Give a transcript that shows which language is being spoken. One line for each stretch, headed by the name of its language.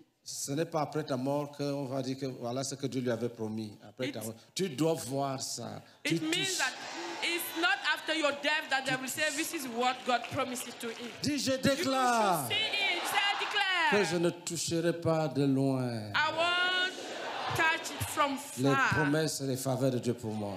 French: Ce n'est pas après ta mort qu'on va dire que voilà ce que Dieu lui avait promis. Après ta mort. Tu dois voir ça.
English: It
French: tu
English: means
French: touches.
English: That it's not after your death that they will say this is what God promises to you.
French: Dis, je déclare que je ne toucherai pas de loin.
English: I won't touch it from far.
French: Les promesses et les faveurs de Dieu pour moi.